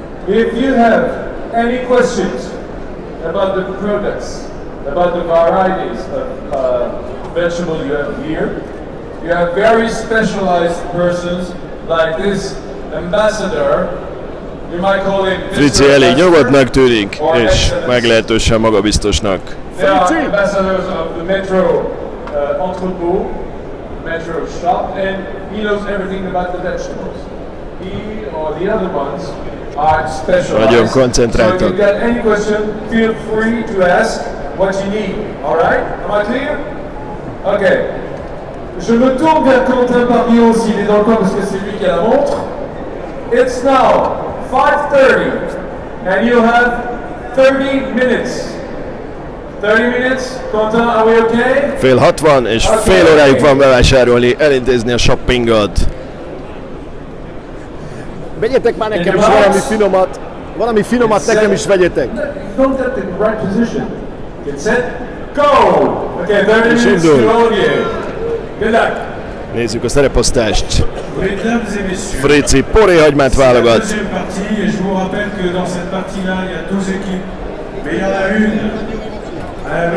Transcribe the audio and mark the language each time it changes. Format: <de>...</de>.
<en>If you have any questions about the products, about the varieties of vegetables you have here, you have very specialized persons like this ambassador. You might call him Fritzi.</en> <hu>Elég nyugodtnak tűnik, és meglehetősen magabiztosnak.</hu> <en>They are ambassadors of the Metro Entrepôt, Metro Shop, and he knows everything about the vegetables. He or the other ones</en> <hu>nagyon koncentráltak.</hu> <en>So if you got any question, feel free to ask what you need. All right? Am I clear? Okay.</en> <fr>Je me tourne vers Quentin Parion s'il est encore parce que c'est lui qui a la montre.</fr> <en>It's now 5:30 and you have 30 minutes. 30 minutes, Quentin, are we okay?</en> <hu>Fél 60 és okay. Fél órájuk van bevásárolni, elintézni a shoppingot. Vegyetek már nekem is valami finomat nekem is vegyetek.</hu> <en>Don't get in the right position. Get set, go! Okay, 30 minutes to all of you. Good luck!</en> <hu>Nézzük a szereposztást. Fritzi poré hagymát válogat.</hu> <fr>Deuxième partie, et je vous rappelle que dans cette partie-là, il y a 12 équipes. Mais il y en a une. À</fr>